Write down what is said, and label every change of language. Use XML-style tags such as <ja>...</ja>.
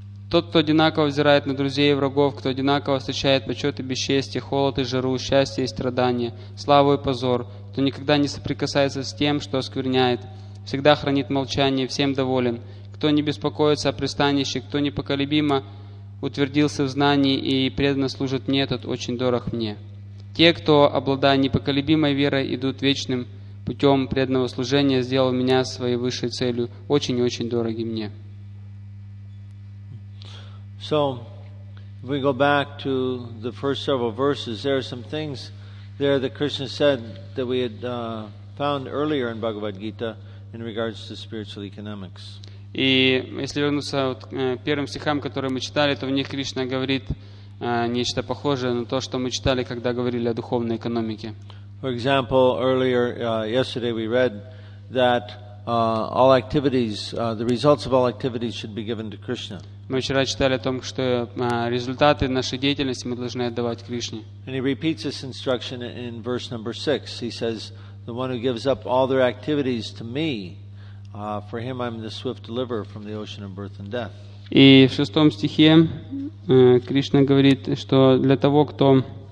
<ru>Тот, кто одинаково взирает на друзей и врагов, кто одинаково встречает почет и бесчестие, холод и жару, счастье и страдания, славу и позор, кто никогда не соприкасается с тем, что оскверняет, всегда хранит молчание, всем доволен, кто не беспокоится о пристанище, кто непоколебимо утвердился в знании и преданно служит мне, тот очень дорог мне. Те, кто, обладая непоколебимой верой, идут вечным путем преданного служения, сделав меня своей высшей целью, очень и очень дороги мне».</ru> <en>So, if we go back to the first several verses, there are some things there that Krishna said that we had found earlier in Bhagavad Gita in regards to spiritual economics.</en> <ru>И если вернуться к первым стихам, которые мы читали, то в них Кришна говорит нечто похожее на то, что мы читали, когда говорили о духовной экономике.</ru> <en>For example, earlier yesterday we read that all activities, the results of all activities should be given to Krishna.</en> <ru>Мы вчера читали о том, что результаты нашей деятельности мы должны отдавать Кришне.</ru> <en>And he repeats this instruction in verse number 6. He says, the one who gives up all their activities to me, for him I'm the swift deliverer from the ocean of birth and death.</en> <ru>И в шестом стихе Кришна говорит, что для того, кто...</ru>